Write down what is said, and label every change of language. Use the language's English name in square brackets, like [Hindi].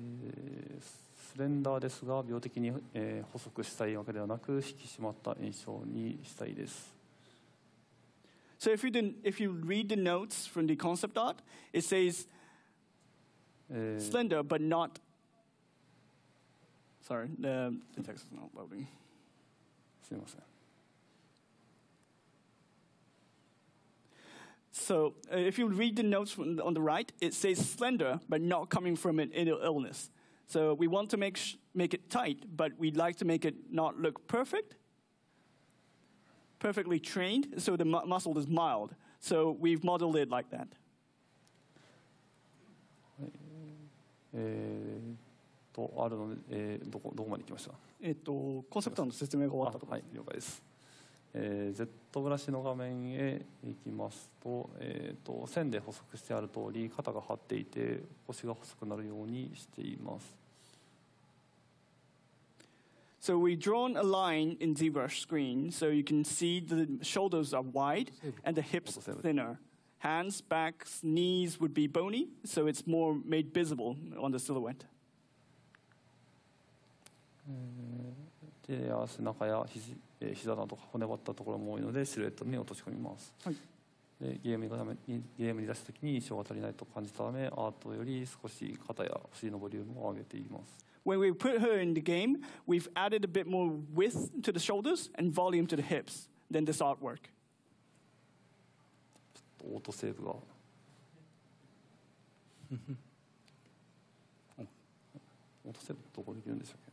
[Japanese] スレンダーですが病的に、細くしたいわけではなく引き締まった印象にしたいです。 [English] So if you read the notes from the concept art, it says slender, but not. Sorry, the text is not loading. [Japanese] すみません。 [English] So, if you read the notes on the right, it says slender, but not coming from an illness. So, we want to make it tight, but we'd like to make it not look perfect. Perfectly trained, so the muscle is mild. So, we've modeled it like that. [Japanese] あるので、どこまで行きました。コンセプトの説明が終わったところ。はい、了解です。 ZBrushの画面へ行きますと、線で補足してある通り肩が張っていて腰が細くなるようにしています。 [English] So we drawn a line in ZBrush screen, so you can see the shoulders are wide and the hips thinner. Hands, backs, knees would be bony, so it's more made visible on the silhouette. [Japanese] で、背中や膝など骨張ったところも多いのでシルエットに落とし込みます。はい。で、ゲームに出すときに印象が足りないと感じたため、アートより少し肩や腰のボリュームを上げています。 [English] When we put her in the game, we've added a bit more width to the shoulders and volume to the hips than this artwork. [Japanese] オートセーブが。オートセーブどこできるんでしたっけ。